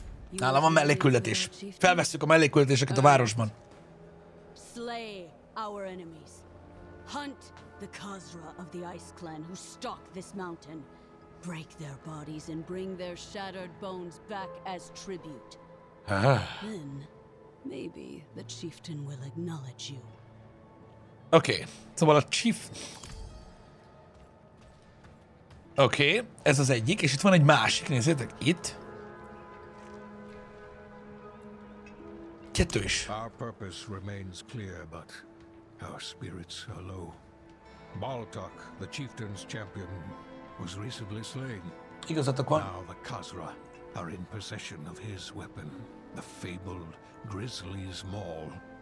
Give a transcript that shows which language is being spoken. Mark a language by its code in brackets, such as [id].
[hu] Nála van mellékküldetés. Felvesszük a mellékküldetéseket a városban. [en] Slay our enemies. Hunt the Khazra of the Ice Clan who stalk this mountain. Break their bodies and bring their shattered bones back as tribute. Then, maybe the chieftain will acknowledge you. [hu] Oké, okay. Szóval a chief... Oké, okay. Ez az egyik, és itt van egy másik, nézzétek, itt. Kettő is. [en] Our purpose remains clear, but our spirits are low. Baltok, the chieftain's champion, was recently slain. [hu] Igazatok van. [en] Now the Khazra are in possession of his weapon, the fabled Grizzly's Maul.